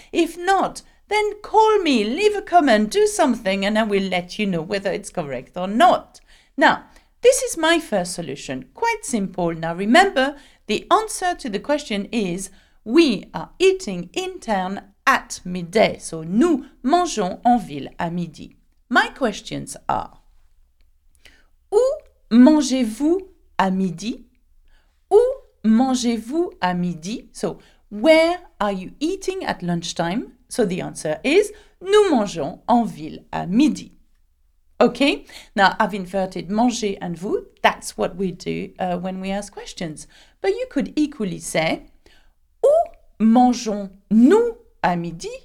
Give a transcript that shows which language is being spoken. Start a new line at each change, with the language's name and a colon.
English: If not, then call me, leave a comment, do something, and I will let you know whether it's correct or not. Now, this is my first solution, quite simple. Now remember, the answer to the question is, we are eating in town at midday. So,
French: nous mangeons en ville à midi.
English: My questions are,
French: où mangez-vous à midi? Où mangez-vous à midi?
English: So, where are you eating at lunchtime? So, the answer is,
French: nous mangeons en ville à midi.
English: Okay, now I've inverted manger and vous. That's what we do when we ask questions. But you could equally say,
French: où mangeons-nous à midi?